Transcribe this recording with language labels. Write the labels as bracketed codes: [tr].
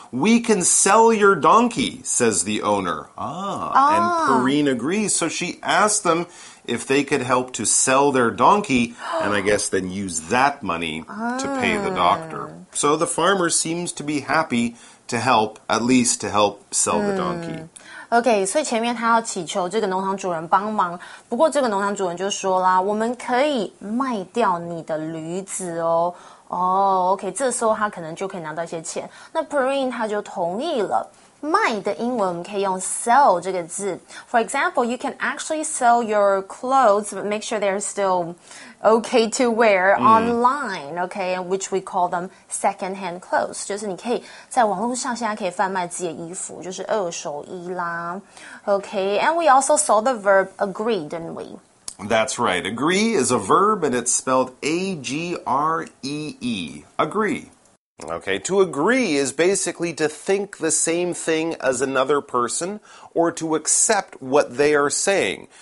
[en] We can sell your donkey, says the owner. And Perrine agrees. So she asks them if they could help to sell their donkey, and I guess then use that money、to pay the doctor. So the farmer seems to be happy to help, at least to help sell、the donkey. [zh] Okay, 所以前面他要祈求这个农场主人帮忙，不过这个农场主人就说啦，我们可以卖掉你的驴子哦。 Okay, 这时候他可能就可以拿到一些钱。那 Perrine 他就同意了。卖的英文我们可以用 sell 这个字。 [en] For example, you can actually sell your clothes, but make sure they're still okay to wear online, okay, which we call them secondhand clothes. [zh] 就是你可以在网络上现在可以贩卖自己的衣服，就是二手衣啦。 [en] Okay, and we also saw the verb agree, didn't we? That's right. Agree is a verb and it's spelled A-G-R-E-E. Agree. Okay, to agree is basically to think the same thing as another person or to accept what they are saying.